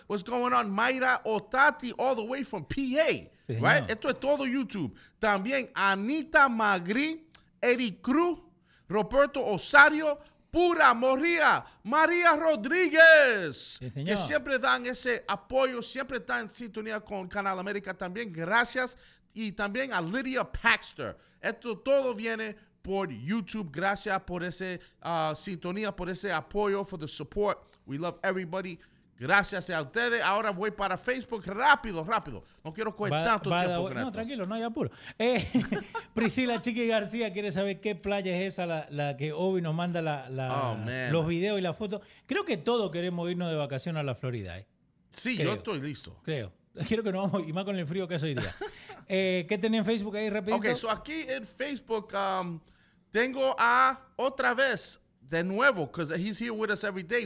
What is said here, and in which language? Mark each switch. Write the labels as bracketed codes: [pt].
[en] What's going on, Mayra Otati, all the way from PA? [es] Sí, [en] right? [es] Señor. Esto es todo YouTube. También Anita Magri, Eric Cruz, Roberto Osario, Pura Moría, María Rodríguez, sí, que siempre dan ese apoyo, siempre están en sintonía con Canal América también. Gracias. Y también a Lydia Paxter. Esto todo viene por YouTube. Gracias por ese sintonía, por ese apoyo, [en] for the support. We love everybody. [es] Gracias a ustedes. Ahora voy para Facebook. Rápido, rápido. No quiero coger tanto tiempo. No, tranquilo, no hay apuro. Priscila Chiqui García quiere saber qué playa es esa la que Obi nos manda los videos y las fotos. Creo que todos queremos irnos de vacaciones a la Florida. Sí, creo. Yo estoy listo. Creo. Quiero que nos vamos, y más con el frío que hace hoy día. ¿Qué tenés en Facebook ahí, rapidito? Ok, so aquí en Facebook tengo a otra vez... De nuevo, [en] because he's here with us every day.